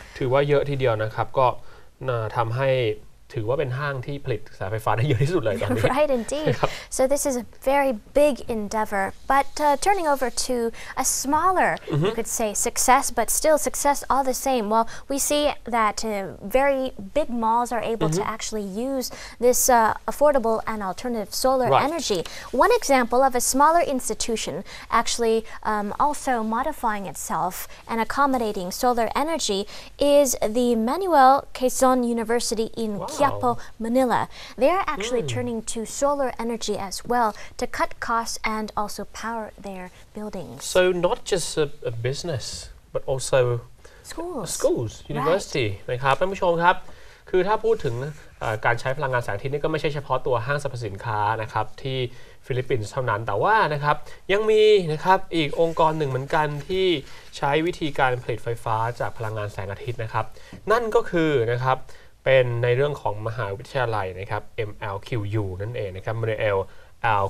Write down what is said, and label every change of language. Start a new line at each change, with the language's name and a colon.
Thai: ถือว่าเยอะทีเดียวนะครับก็ทำให้ถือว่าเป็นห้างที่ผลิตสายไฟฟ้าได้เยอะที่สุดเลยตอนนี้
English: Right indeed So this is a very big endeavor but turning over to a smaller you could say success but still success all the same Well we see that very big malls are able to actually use this affordable and alternative solar energy One example of a smaller institution actually also modifying itself and accommodating solar energy is the Manuel Quezon University in Quiapo, Manila They are actually turning to solar energy as well to cut costs and also power their buildings. So not just a business, but also schools,
Thai: university, นะครับท่านผู้ชมครับคือถ้าพูดถึงการใช้พลังงานแสงอาทิตย์นี่ก็ไม่ใช่เฉพาะตัวห้างสรรพสินค้านะครับที่ฟิลิปปินส์เท่านั้นแต่ว่านะครับยังมีนะครับอีกองค์กรหนึ่งเหมือนกันที่ใช้วิธีการผลิตไฟฟ้าจากพลังงานแสงอาทิตย์นะครับนั่นก็คือนะครับเป็นในเรื่องของมหาวิทยาลัยนะครับ MLQU นั่นเองนะครับ Manuel L.